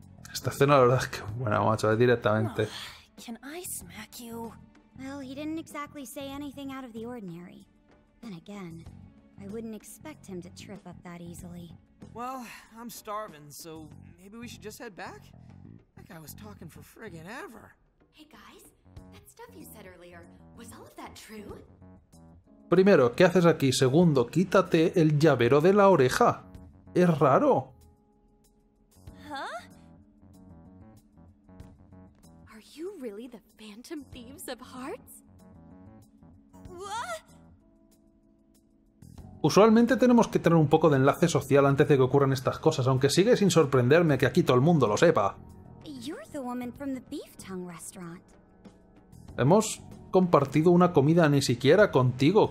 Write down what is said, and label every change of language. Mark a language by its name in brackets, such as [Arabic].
[Spanish] Esta escena, la verdad es que buena, macho, directamente. [English] Can I smack you? Well, he didn't exactly say anything out of the ordinary. Then again, I wouldn't expect him to trip up that easily. Well, I'm starving, so maybe we should just head back? That guy was talking for friggin' ever. Hey guys, that stuff you said earlier, was all of that true? [Spanish] Primero, ¿qué haces aquí? Segundo, quítate el llavero de la oreja. Es raro. Huh? [English] Are you really the Phantom Thieves of Hearts? What? [Spanish] Usualmente tenemos que tener un poco de enlace social antes de que ocurran estas cosas, aunque sigue sin sorprenderme que aquí todo el mundo lo sepa. [English] You're the woman from the beef tongue restaurant. [Spanish] Hemos compartido una comida ni siquiera contigo.